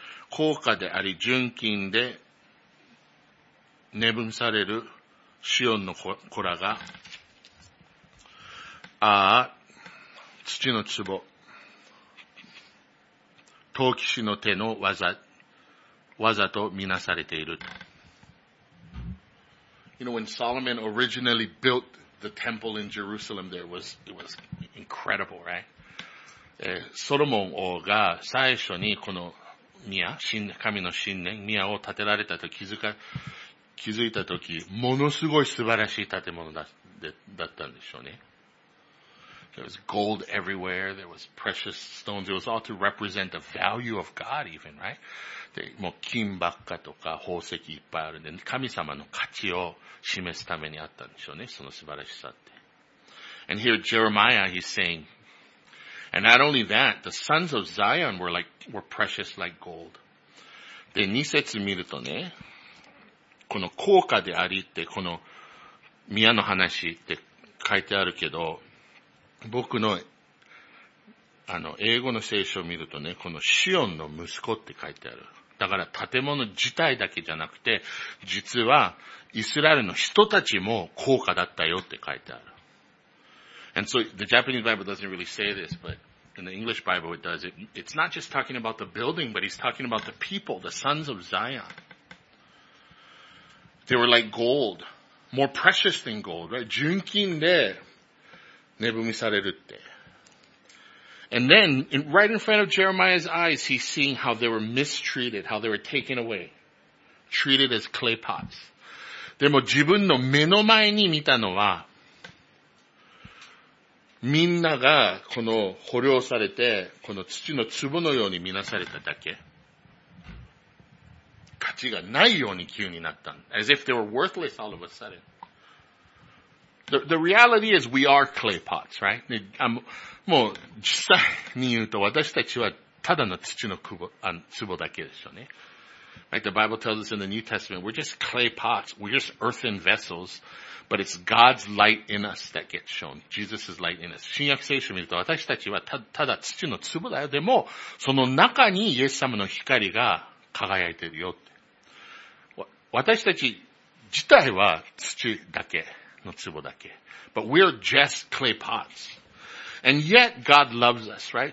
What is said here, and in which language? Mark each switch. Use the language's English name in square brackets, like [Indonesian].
[Japanese] 高価であり純金で値分されるシオンの子らが、ああ、土の壺、陶器師の手の技、わざとみなされている。 [English] You know, when Solomon originally built the temple in Jerusalem, there was, it was incredible, right? [Japanese] ソロモン王が最初にこの宮、神の神殿、宮を建てられたと気づいたとき、ものすごい素晴らしい建物だったんでしょうね。 [English] There was gold everywhere, there was precious stones, it was all to represent the value of God even, right? [Japanese] で、もう金ばっかとか宝石いっぱいあるんで、神様の価値を示すためにあったんでしょうね、その素晴らしさって。 [English] And here Jeremiah, he's saying, and not only that, the sons of Zion were precious like gold. [Japanese] で、2節見るとね、この高価でありって、この宮の話って書いてあるけど、僕の、あの、英語の聖書を見るとね、このシオンの息子って書いてある。だから建物自体だけじゃなくて、実はイスラエルの人たちも高価だったよって書いてある。 [English] And so, the Japanese Bible doesn't really say this, but in the English Bible it does. It's not just talking about the building, but he's talking about the people, the sons of Zion. They were like gold. More precious than gold, right? [Japanese] 純金で、ねぶみされるって。 [English] And then, right in front of Jeremiah's eyes, he's seeing how they were mistreated, how they were taken away. Treated as clay pots. [Japanese] でも自分の目の前に見たのは、みんながこの捕虜されて、この土の粒のように見なされただけ。価値がないように急になったん。 [English] As if they were worthless all of a sudden. The reality is we are clay pots, right? [Japanese] もう実際に言うと私たちはただの土の粒だけでしょうね。 [English] Right, the Bible tells us in the New Testament, we're just clay pots, we're just earthen vessels, but it's God's light in us that gets shown. Jesus' light in us. [Japanese] 新約聖書を見ると私たちはただ土の粒だよ。でも、その中にイエス様の光が輝いてるよって。私たち自体は土だけ。の壺だけ。 [English] But we're just clay pots. And yet God loves us, right?